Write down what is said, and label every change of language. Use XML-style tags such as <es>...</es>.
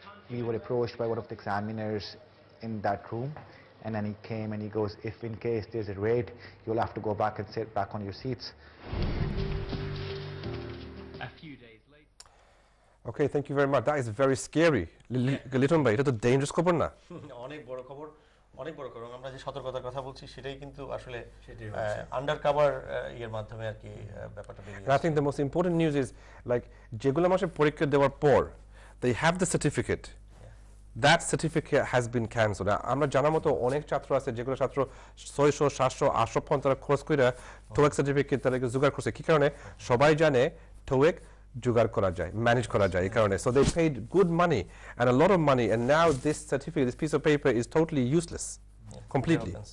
<en>We were approached by one of the examiners in that room. And then he came and he goes, if in case there's a raid, you'll have to go back and sit back on your seats. A few days later. Okay, thank you very much. That is very scary.</en> <bn>Litton bhai, এটা তো dangerous খবর না? অনেক বড় খবর, অনেক বড় খবর। আমরা যে সতর্কতার কথা বলছি সেটাই কিন্তু আসলে আন্ডারকভার এর মাধ্যমে আর কি ব্যাপারটা বেরিয়ে আসে।</bn> <en>I think the most important news is like</en> <bn>যেগুলো মাসে পরীক্ষা দেওয়ার পর</bn> <en>they have the certificate. That certificate has been cancelled.</en> <bn>আমরা জানার মতো অনেক ছাত্র আছে যেগুলো ছাত্র 600 700 800 পর্যন্ত তারা কোর্স কইরা টোয়েক সার্টিফিকেট তারা জোগাড় করছে। কি কারণে? সবাই জানে টোয়েক জোগাড় করা যায়, ম্যানেজ করা যায়, এই কারণে।</bn> <en>so they paid good money and a lot of money and now this certificate, this piece of paper is totally useless completely,</en>